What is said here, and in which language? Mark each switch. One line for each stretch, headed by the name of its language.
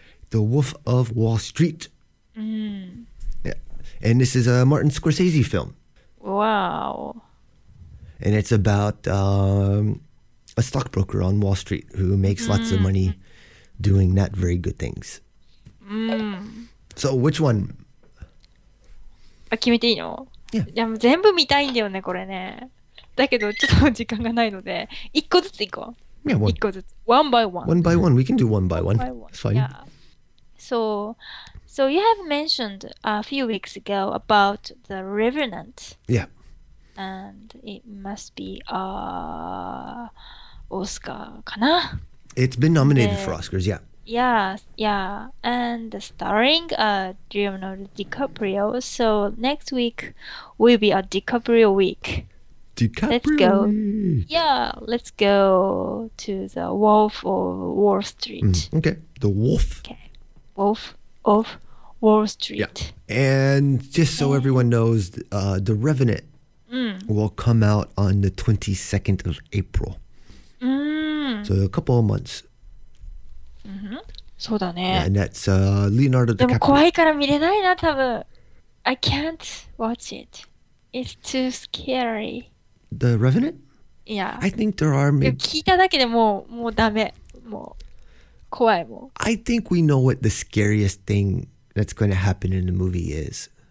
English: The Wolf of Wall Street. Yeah. And this is a Martin Scorsese film. Wow. And it's about a stockbroker on Wall Street who makes lots of money doing not very good things. So which one?
Japanese: あ、決めていいの? いや、全部見たいんだよね、これね。だけどちょっと時間がないので、1個ずつ行こう。
English: Yeah, one by one. We can do one by one. It's fine. Yeah. So you have mentioned a few weeks ago about The Revenant. Yeah. And it must be Oscar,
Japanese: かな?
English: It's been nominated for Oscars, yeah. And starring Leonardo DiCaprio. So next week will be a DiCaprio week. DiCaprio let's go. Week. Yeah, let's go to the Wolf of Wall Street. Okay, the Wolf. Okay, Wolf of Wall Street. Yeah. And just so everyone knows, The Revenant will come out on the 22nd of April. So a couple of months.
Japanese: そうだね。
English: And that's Leonardo DiCaprio.
Japanese: でも怖いから見れないな、多分。
English: I can't watch it. It's too scary. The Revenant? Yeah. I think there are maybe...
Japanese: 聞いただけでもうダメ。もう怖いもん。
English: I think we know what the scariest thing that's going to happen in the movie is.